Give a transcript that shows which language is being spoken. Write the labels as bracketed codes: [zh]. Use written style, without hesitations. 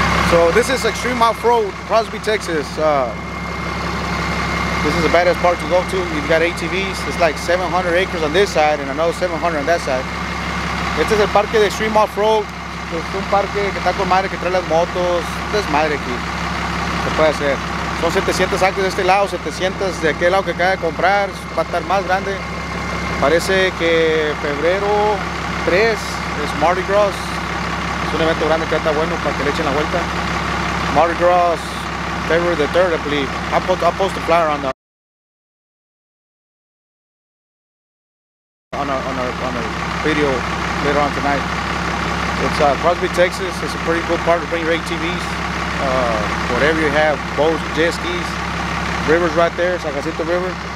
[en] So this is Extreme Off-Road, Crosby, Texas. This is the baddest part to go to. You've got ATVs. It's like 700 acres on this side and another 700 on that side. [es] Este es el parque de Extreme Off-Road. Es un parque que está con madre, que trae las motos. Esto es madre aquí. Se puede hacer. Son 700 acres de este lado, 700 de aquel lado que acaba de comprar. Va a estar más grande. Parece que febrero 3 es Mardi Gras. Es un evento grande que está bueno para que le echen la vuelta. [en] Mardi Gras. February the 3rd, I believe. I'll post the flyer on the on our video later on tonight. It's Crosby, Texas. It's a pretty cool part to bring your ATVs. Whatever you have, boats, jet skis, rivers right there, San Jacinto River.